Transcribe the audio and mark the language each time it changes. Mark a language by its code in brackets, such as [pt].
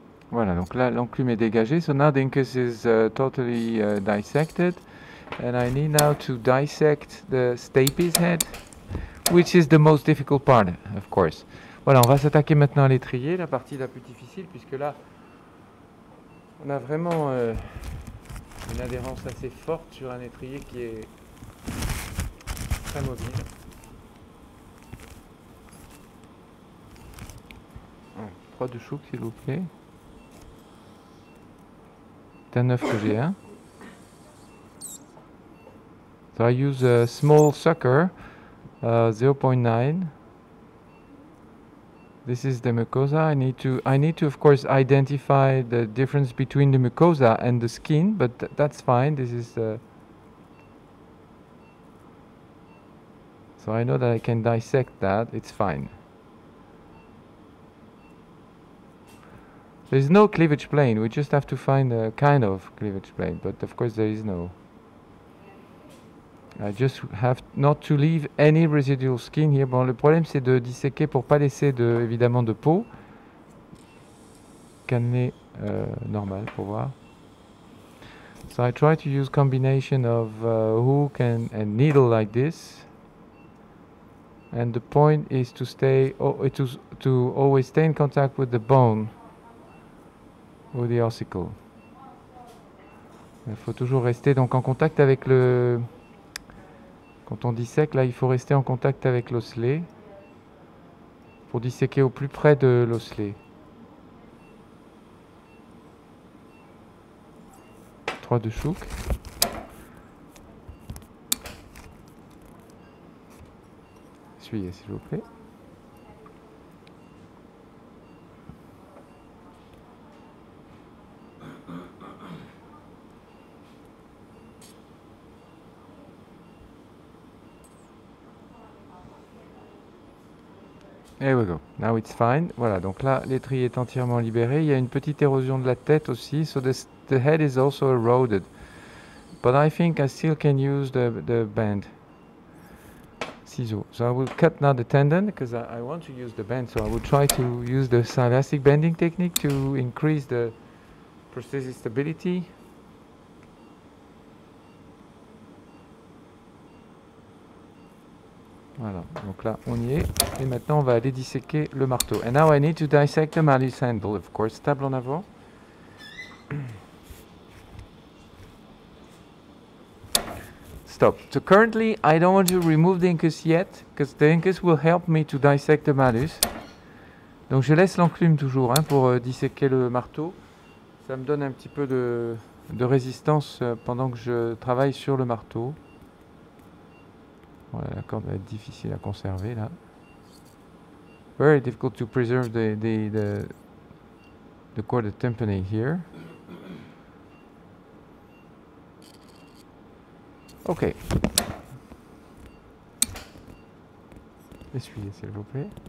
[fr] Voilà, donc là l'enclume est dégagée. [en] So now the incus is totally dissected, and I need now to dissect the stapes head, which is the most difficult part, of course. [fr] Voilà, on va s'attaquer maintenant à l'étrier, la partie la plus difficile, puisque là on a vraiment une adhérence assez forte sur un étrier qui est très mobile. Trois de chouk, s'il vous plaît. Un œuf que j'ai, hein. [en] So I use a small sucker, 0.9. This is the mucosa. I need to of course identify the difference between the mucosa and the skin, but that's fine. This is so I know that I can dissect that. It's fine. There is no cleavage plane, we just have to find a kind of cleavage plane, but of course there is no. I just have not to leave any residual skin here. [fr] Bon, le problème c'est de disséquer pour pas laisser de, évidemment, de peau. Cannelé normal pour voir. [en] So I try to use combination of hook and needle like this. And the point is to stay, to always stay in contact with the bone. Ou the ossicle. [fr] Il faut toujours rester donc en contact avec le. Quand on dissèque, là, il faut rester en contact avec l'osselet pour disséquer au plus près de l'osselet. Trois de chouk. Essuyez, s'il vous plaît. [en] There we go. Now it's fine. [fr] Voilà, donc là, l'étrier est entièrement libéré. Il y a une petite érosion de la tête aussi. [en] So the head is also eroded. But I think I still can use the band. Ciseau. So I will cut now the tendon, because I want to use the band. So I will try to use the sinelastic bending technique to increase the prosthesis stability. [fr] Voilà, donc là on y est, et maintenant on va aller disséquer le marteau. [en] And now I need to dissect the malleus handle, of course, [fr] table en avant. [en] Stop. So currently I don't want to remove the incus yet, because the incus will help me to dissect the malleus. [fr] Donc je laisse l'enclume toujours hein, pour disséquer le marteau. Ça me donne un petit peu de résistance pendant que je travaille sur le marteau. Voilà, la corde va être difficile à conserver là. [en] Very difficult to preserve the cord of tympani here. Ok. [fr] Essuyez s'il vous plaît.